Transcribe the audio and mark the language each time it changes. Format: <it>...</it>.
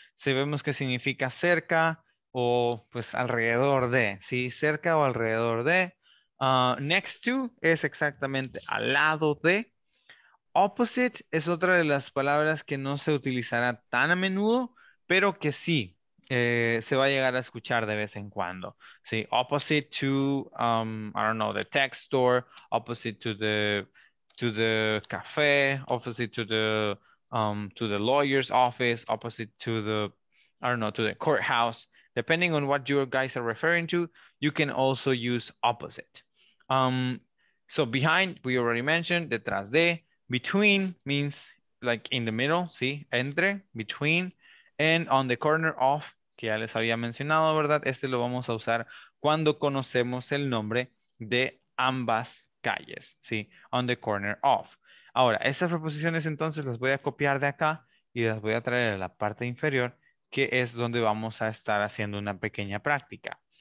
<es>Si vemos que significa cerca o pues alrededor de, sí, cerca o alrededor de. Next to es exactamente al lado de. Opposite es otra de las palabras que no se utilizará tan a menudo, pero que sí, se va a llegar a escuchar de vez en cuando.</es> <en>Sí, opposite to, I don't know, the tech store, opposite to the café, opposite to the lawyer's office, opposite to the, I don't know, to the courthouse. Depending on what you guys are referring to, you can also use opposite. So behind, we already mentioned,</en> <es>detrás de.</es> <en>Between means like in the middle,</en> <es>sí, entre,</es> <en>between. And on the corner of,</en> <es>que ya les había mencionado, ¿verdad? Este lo vamos a usar cuando conocemos el nombre de ambas calles, ¿sí?</es> <en>On the corner of.</en> <es>Ahora, estas preposiciones entonces las voy a copiar de acá y las voy a traer a la parte inferior, que es donde vamos a estar haciendo una pequeña práctica.</es>